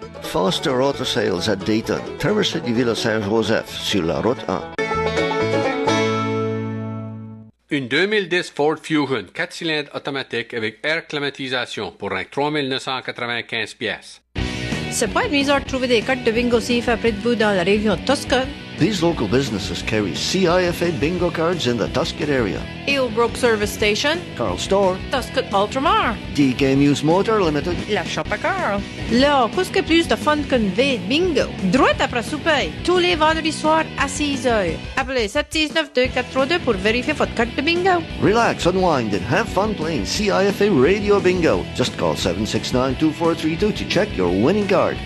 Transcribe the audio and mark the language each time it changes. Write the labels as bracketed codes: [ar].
[fr] Foster Auto Sales à Dayton, traversée du Ville Saint-Joseph, sur la route 1. Une 2010 Ford Fusion 4 cylindres automatique avec air climatisation pour un 3995 pièces. C'est pas une misère de trouver des cartes de bingo CIFA près de vous dans la région de Tuscan. [en] These local businesses carry CIFA bingo cards in the Tuscan area. Eelbrook Service Station. Carl Store. Tuscan Ultramar. DK Muse Motor Limited. [fr] La Shop à Carl. Là, qu'est-ce que plus de fun qu'un V de bingo? Droite après souper, tous les vendredis soirs à 6h. Appelez 769-2432 pour vérifier votre carte de bingo. [en] Relax, unwind and have fun playing CIFA Radio Bingo. Just call 769-2432 to check your winning card.